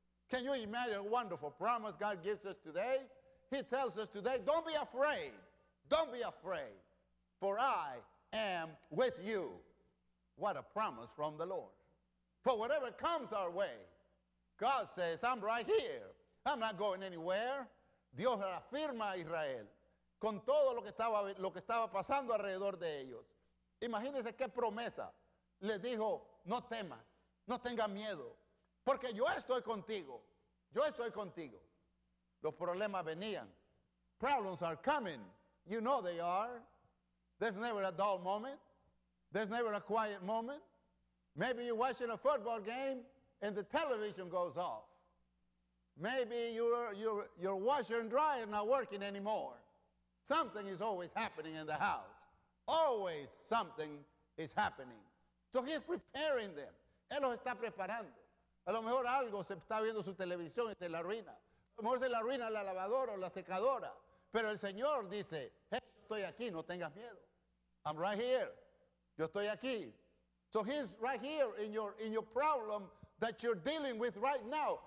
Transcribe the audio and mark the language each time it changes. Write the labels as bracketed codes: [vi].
[en] Can you imagine a wonderful promise God gives us today? He tells us today, don't be afraid. Don't be afraid, for I am with you. What a promise from the Lord. For whatever comes our way, God says, I'm right here. I'm not going anywhere. [es] Dios afirma a Israel con todo lo que estaba pasando alrededor de ellos. Imagínense qué promesa. Les dijo, no temas, no tengas miedo, porque yo estoy contigo. Yo estoy contigo. Los problemas venían. [en] Problems are coming. You know they are. There's never a dull moment. There's never a quiet moment. Maybe you're watching a football game and the television goes off. Maybe your washer and dryer not working anymore. Something is always happening in the house. Always something is happening. So he's preparing them. [es] Él los está preparando. A lo mejor algo se está viendo su televisión y se la arruina. A lo mejor se la arruina la lavadora o la secadora. Pero el Señor dice, hey, estoy aquí, no tengas miedo. [en] I'm right here. [es] Yo estoy aquí. [en] So he's right here in your problem that you're dealing with right now.